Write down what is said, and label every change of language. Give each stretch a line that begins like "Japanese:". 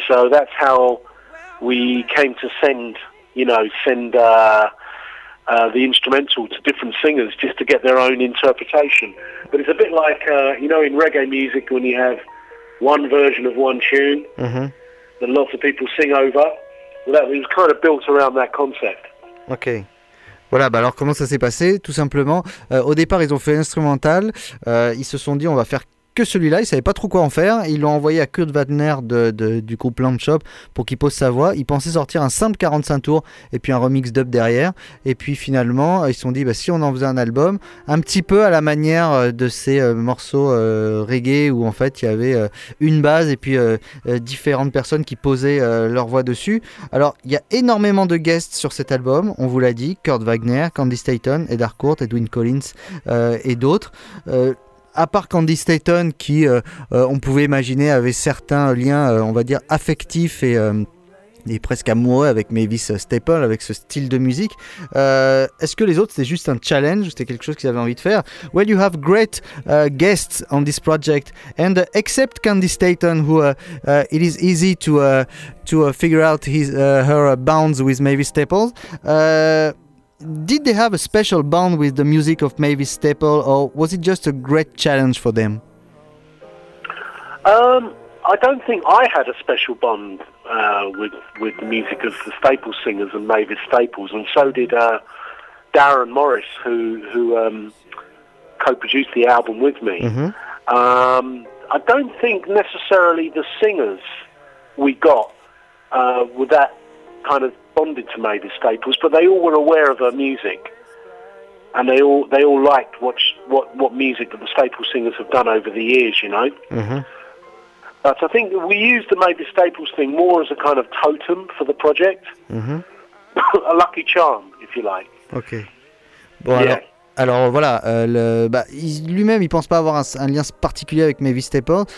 English: So that's how we came to send the instrumental to different singers just to get their own interpretation. But it's a bit like, you know, in reggae music when you have one version of one tune that lots of people sing over. Well, that was kind of built around that concept.
French: Okay. Voilà, bah alors comment ça s'est passé? Tout simplement, au départ, ils ont fait l'instrumental. Ils se sont dit, on va faire que celui-là, ils ne savaient pas trop quoi en faire. Ils l'ont envoyé à Kurt Wagner du groupe Lamb Chop pour qu'il pose sa voix. Ils pensaient sortir un simple 45 tours et puis un remix dub derrière. Et puis finalement, ils se sont dit, si on en faisait un album, un petit peu à la manière de ces morceaux reggae où en fait il y avait une base et puis différentes personnes qui posaient leur voix dessus. Alors, il y a énormément de guests sur cet album, on vous l'a dit. Kurt Wagner, Candy Staton, Ed Harcourt, Edwin Collins et d'autres. À part Candy Staton, qui, on pouvait imaginer, avait certains liens, on va dire, affectifs et presque amoureux avec Mavis Staple, avec ce style de musique. Est-ce que les autres, c'était juste un challenge, c'était quelque chose qu'ils avaient envie de faire?
English: Well, you have great guests on this project, and except Candy Staton, who it is easy to figure out her bounds with Mavis Staple. Did they have a special bond with the music of Mavis Staple, or was it just a great challenge for them? I don't think I had a special bond with the music of the Staple Singers and Mavis Staples, and so did Darren Morris, who co-produced the album with me. I don't think necessarily the singers we got were that kind of bonded to Mavis Staples, but they all were aware of her music, and they all liked what music that the Staple Singers have done over the years, you know. But I think we used the Mavis Staples thing more as a kind of totem for the project, a lucky charm, if you like. Okay. Bon, yeah.
French: Alors voilà, lui-même, il pense pas avoir un lien particulier avec Mavis Staples.